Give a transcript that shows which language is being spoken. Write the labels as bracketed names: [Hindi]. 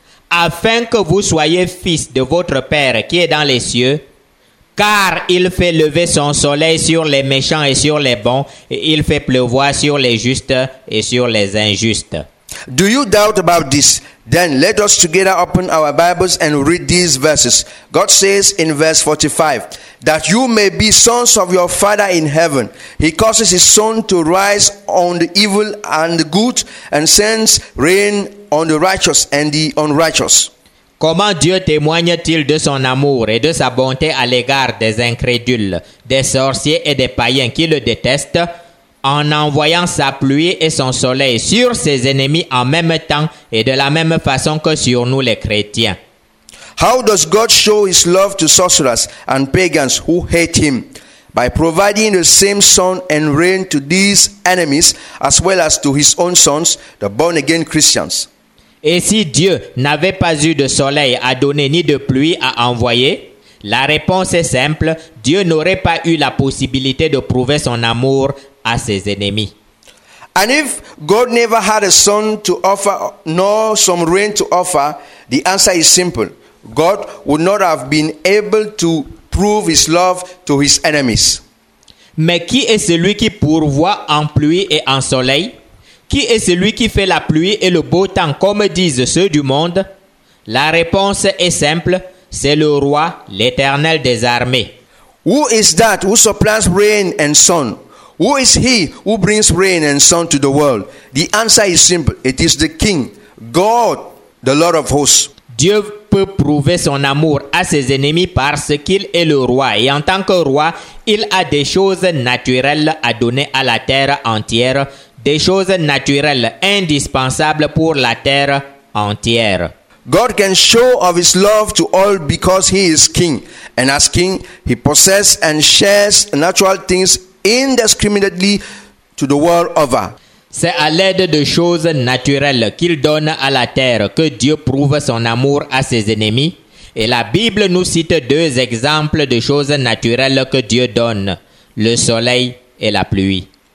[French] Afin que vous soyez fils de votre Père qui est dans les cieux, car il fait lever son soleil sur les méchants et sur les bons, et il fait pleuvoir sur les justes et sur les injustes. [English] Do you doubt about this? Then let us together open our Bibles and read these verses. God says in verse 45, that you may be sons of your Father in heaven. He causes his sun to rise on the evil and the good, and sends rain on the righteous and the unrighteous. [French] Comment Dieu témoigne-t-il de son amour et de sa bonté à l'égard des incrédules, des sorciers et des païens qui le détestent? En envoyant sa pluie et son soleil sur ses ennemis en même temps et de la même façon que sur nous les chrétiens. [English] How does God show his love to sorcerers and pagans who hate him? By providing the same sun and rain to these enemies as well as to his own sons, the born again Christians. [French] Et si Dieu n'avait pas eu de soleil à donner ni de pluie à envoyer? La réponse est simple, Dieu n'aurait pas eu la possibilité de prouver son amour à ses ennemis. [English] And if God never had a son to offer, nor some rain to offer, the answer is simple. God would not have been able to prove his love to his enemies. [French] Mais qui est celui qui pourvoit en pluie et en soleil? Qui est celui qui fait la pluie et le beau temps, comme disent ceux du monde? La réponse est simple. C'est le roi, l'Éternel des armées. [English] Who is that who supplies rain and sun? Who is he who brings rain and sun to the world? The answer is simple. It is the King, God, the Lord of hosts. [French] Dieu peut prouver son amour à ses ennemis parce qu'il est le roi. Et en tant que roi, il a des choses naturelles à donner à la terre entière. Des choses naturelles indispensables pour la terre entière. [English] God can show of his love to all because he is king. And as king, he possesses and shares natural things indiscriminately to the world over. [French] C'est à l'aide de choses naturelles qu'il donne à la terre que Dieu prouve son amour à ses ennemis. Et la Bible nous cite deux exemples de choses naturelles que Dieu donne, le soleil et la pluie.